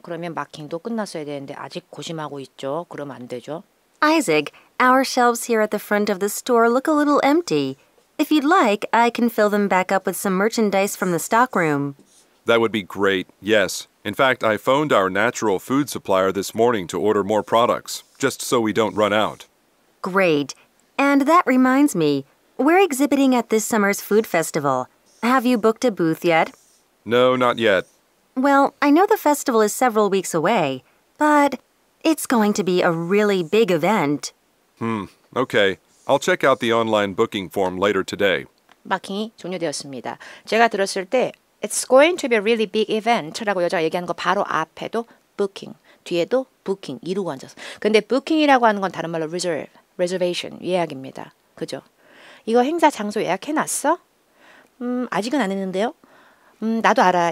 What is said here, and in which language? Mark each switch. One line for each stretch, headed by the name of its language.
Korean: 그러면 마킹도 끝났어야 되는데 아직 고심하고 있죠? 그럼 안 되죠?
English: Isaac, our shelves here at the front of the store look a little empty. If you'd like, I can fill them back up with some merchandise from the stockroom. That would be great, yes. In fact, I phoned our natural food supplier this morning to order more products, just so we don't run out. Great. And that reminds me, we're exhibiting at this summer's food festival. Have you booked a booth yet? No, not yet. Well, I know the festival is several weeks away, but it's going to be a really big event. Okay. I'll check out the online booking form later today.
Korean: 마킹이 종료되었습니다. 제가 들었을 때 It's going to be a really big event 라고 여자가 얘기하는 거 바로 앞에도 booking, 뒤에도 booking, 이루고 앉아서. 근데 booking이라고 하는 건 다른 말로 reserve, reservation, 예약입니다. 그죠? 이거 행사 장소 예약해놨어? 아직은 안 했는데요? 나도 알아.